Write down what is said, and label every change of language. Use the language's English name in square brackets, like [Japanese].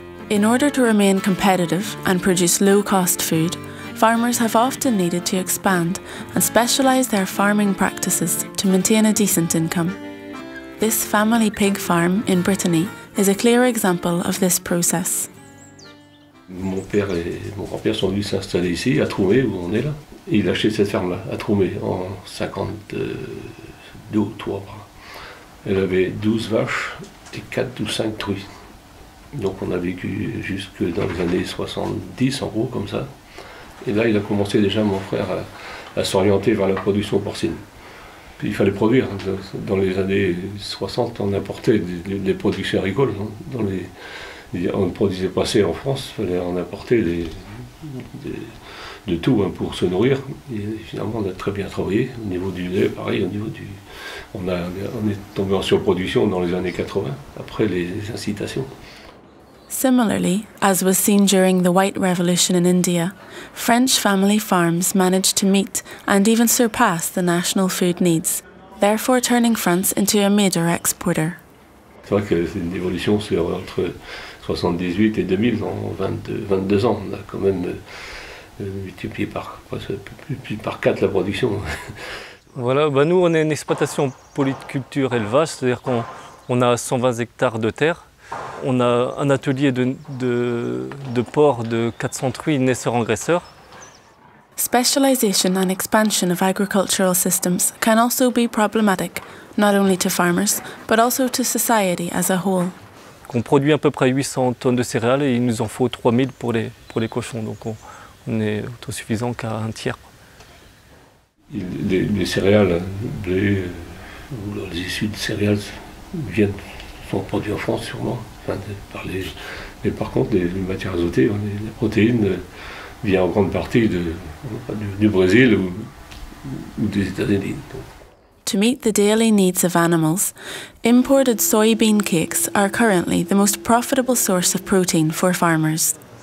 [English] In order to remain competitive and produce low-cost food, farmers have often needed to expand and specialise their farming practices to maintain a decent income. This family pig farm in Brittany is a clear example of this process. [French] Mon père et mon grand-père sont venus s'installer ici, à Troumé, où on est là. Et il a acheté cette ferme-là, à Troumé, en 52 ou 3. Elle avait 12 vaches et 4 ou 5 truies. Donc on a vécu jusque dans les années 70, en gros, comme ça. Et là, il a commencé déjà, mon frère, à s'orienter vers la production porcine. Il fallait produire. Dans les années 60, on importait des productions agricoles. On ne produisait pas assez en France, il fallait en importer de tout hein, pour se nourrir. Et finalement, on a très bien travaillé au niveau du lait, pareil, au niveau du... on est tombé en surproduction dans les années 80, après les incitations. [English] Similarly, as was seen during the White Revolution in India, French family farms managed to meet and even surpass the national food needs, therefore turning France into a major exporter. [French] C'est vrai que c'est une évolution, c'est entre 78 et 2000, en 22 ans, on a quand même multiplié par 4 la production. Voilà, bah nous on est une exploitation polyculture élevage, c'est-à-dire qu'on a 120 hectares de terre. On a un atelier de porc de 400 truies naisseurs-engraisseurs. [English] Specialization and expansion of agricultural systems can also be problematic, not only to farmers, but also to society as a whole. [French] On produit à peu près 800 tonnes de céréales et il nous en faut 3000 pour les cochons, donc on est autosuffisant qu'à un tiers. Les céréales, blé, ou les issues de céréales viennent. Sont produits en France sûrement, enfin, mais par contre les matières azotées, les protéines viennent en grande partie du Brésil ou des États-Unis. [English] To meet the daily needs of animals, imported soybean cakes are currently the most profitable source of protein for farmers.